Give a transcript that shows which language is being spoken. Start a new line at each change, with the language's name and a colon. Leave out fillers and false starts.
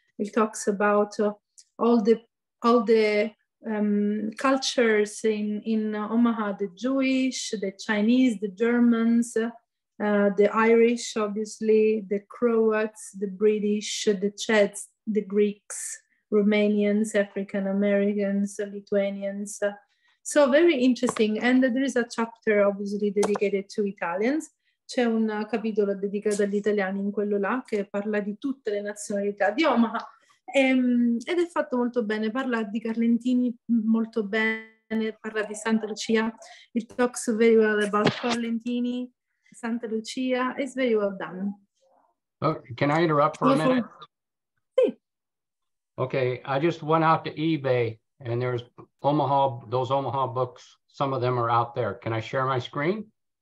English: It talks about all the cultures in Omaha, the Jewish, the Chinese, the Germans, the Irish, obviously, the Croats, the British, the Czechs, the Greeks, Romanians, African Americans, Lithuanians. So very interesting. And there is a chapter obviously dedicated to Italians.
Italian: C'è un capitolo dedicato agli italiani in quello là che parla di tutte le nazionalità di Omaha. Ed è fatto molto bene, parla di Carlentini molto bene, parla di Santa Lucia.
English: It talks very well about Carlentini, Santa Lucia. It's very well done. Oh, can I interrupt for a minute?
Italian: Sì.
English: Okay, I just went out to eBay and there's those Omaha books. Some of them are out there. Can I share my screen?